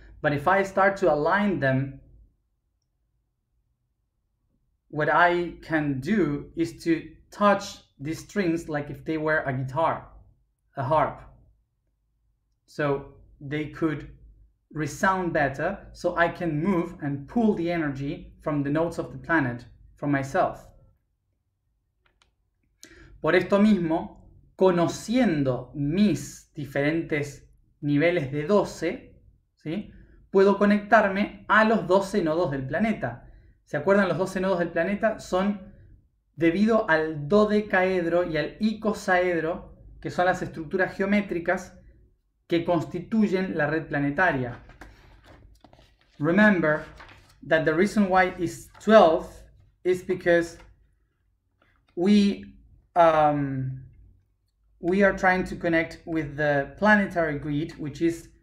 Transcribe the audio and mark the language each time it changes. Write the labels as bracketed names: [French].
[English] But if I start to align them, what I can do is to touch these strings like if they were a guitar, a harp. So they could resound better, so I can move and pull the energy from the notes of the planet, from myself. [Spanish] Por esto mismo, conociendo mis diferentes niveles de 12, ¿sí?, puedo conectarme a los 12 nodos del planeta. ¿Se acuerdan? Los 12 nodos del planeta son debido al dodecaedro y al icosaedro, que son las estructuras geométricas que constituyen la red planetaria. [English] Remember that the reason why it's 12 is because we are trying to connect with the planetary grid, which is